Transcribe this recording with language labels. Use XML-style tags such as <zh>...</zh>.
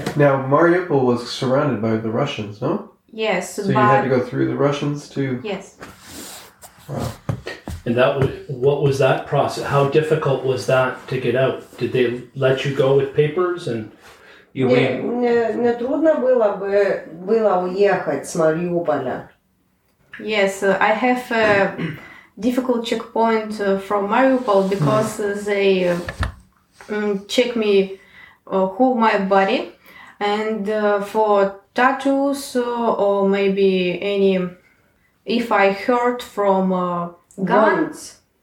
<en>Now, Mariupol was surrounded by the Russians, no? Yes. So you had to go through the Russians to... Yes. Wow. And that was, what was that process? How difficult was that to get out? Did they let you go with papers and you</en> <ru>не трудно было бы было уехать с Мариуполя.</ru> <en>Yes, I have a difficult checkpoint from Mariupol because they check me who my body and for tattoos or maybe any if I hurt from guns.</en>